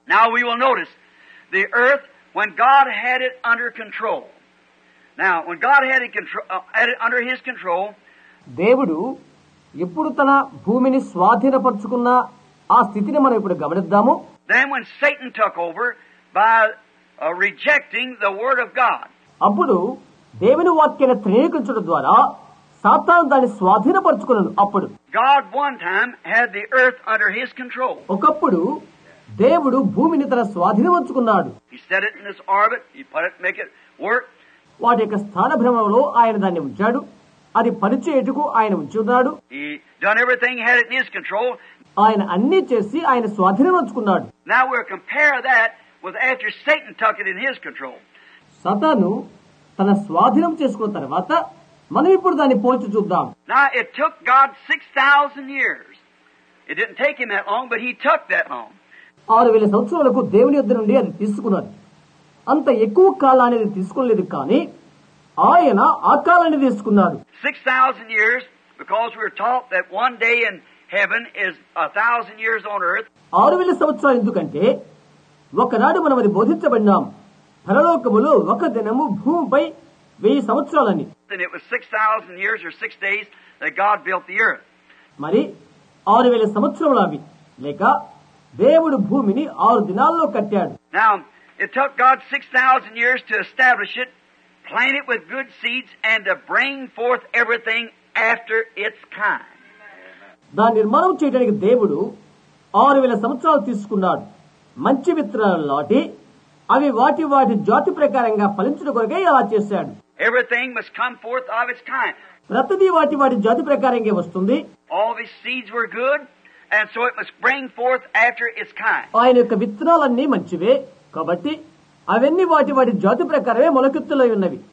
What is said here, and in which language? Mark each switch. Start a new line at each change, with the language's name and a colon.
English: Now we will notice the earth when God had it under control. Now when God had it under his control,
Telugu: దేవుడు ఎప్పుడు తన భూమిని స్వాధీనపరుచుకున్న ఆ స్థితిని మనం ఇప్పుడు గమనిద్దాము.
English: Then when Satan took over by rejecting the word of God.
Telugu: అప్పుడు దేవుని వాక్యాన్ని తృణీకరించడం ద్వారా సాతాను దాన్ని స్వాధీనపరుచుకున్నాడు. అప్పుడు
English: God one time had the earth under his control.
Telugu: ఒకప్పుడు దేవుడు భూమిని తన స్వాధీనపరుచుకున్నాడు.
English: He set it in his orbit. He put it, make it work.
Telugu: వాటి యొక్క స్థానభ్రమంలో ఆయన దాన్ని ఉంచాడు. అది పనిచేయటకు ఆయన ఉంచున్నాడు.
English: He done everything, had it in his control.
Telugu: ఆయన అన్ని చేసి ఆయన స్వాధీనపరుచుకున్నాడు.
English: Now we compare that with after Satan took it in his control.
Telugu: సాతాను తన స్వాధీనం చేసుకున్న తర్వాత మనం ఇప్పుడు దాన్ని పోల్చి చూద్దాం.
English: Now it took God 6,000 years. It didn't take him that long, but he took that long.
Telugu: 6,000 సంవత్సరాలకు దేవుని యొద్ద నుండి అది తీసుకున్నది. అంత ఎక్కువ కాలానికి తీసుకోలేదు, కానీ ఆయన ఆ కాలాన్ని తీసుకున్నాడు.
English: 6,000 years because we're taught that one day in heaven is 1,000 years on earth.
Telugu: 6,000 సంవత్సరాలు ఎందుకంటే ఒకనాడు మనం అది బోధించబడినాం, పరలోకములో ఒక దినము భూమిపై 1,000 సంవత్సరాలని.
English: Then it was 6,000 years or 6 days that God built the earth.
Telugu: మరి 6,000 సంవత్సరములవి లేక దేవుడు భూమిని 6 దినాల్లో కట్టాడు.
English: Now it took God 6,000 years to establish it, plant it with good seeds, and to bring forth everything after its kind.
Telugu: దాని నిర్మాణం చేయడానికి దేవుడు 6,000 సంవత్సరాలు తీసుకున్నాడు. మంచి విత్తనాలు నాటి అవి వాటి వాటి జాతి ప్రకారంగా ఫలించడం కొరకే అలా చేశాడు.
English: Everything must come forth of its kind.
Telugu: ప్రతిది వాటి వాటి జాతి ప్రకారంగా వస్తుంది.
English: All the seeds were good, and so it must bring forth after its kind.
Telugu: ఆయన యొక్క విత్తనాలన్నీ మంచివే, కాబట్టి అవన్నీ వాటి వాటి జాతి ప్రకారమే మొలకెత్తులై ఉన్నవి.